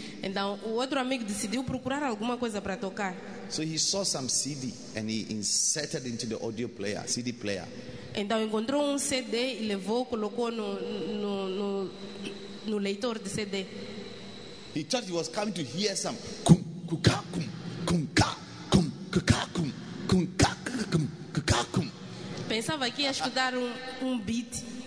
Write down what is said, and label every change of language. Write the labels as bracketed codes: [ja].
[pt] Então, o outro amigo decidiu procurar alguma coisa para tocar. [en] So he saw some CD and he inserted into the audio player, CD player. [pt] Então encontrou um CD e levou, colocou no leitor de CD. [en] He thought he was coming to hear some kum kuka kum kum ka kum kuka kum kum ka kum kuka kum. [pt] Pensava que ia escutar um beat.